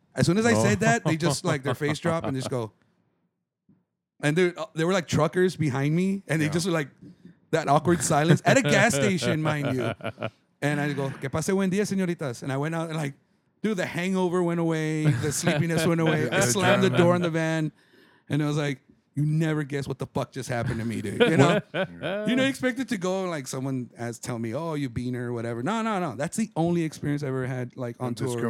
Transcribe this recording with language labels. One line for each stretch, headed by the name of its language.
English: As soon as I said that, they just like their face drop and just go. And they were like truckers behind me. And they just were like, that awkward silence at a gas station, mind you. And I go,
Spanish: que pase buen día, señoritas.
English: And I went out and like, dude, the hangover went away. The sleepiness went away. I slammed the door on the van. And I was like, you never guess what the fuck just happened to me, dude. You know, you expect it to go like someone has tell me, oh, you beaner or whatever. No. That's the only experience I ever had like on tour.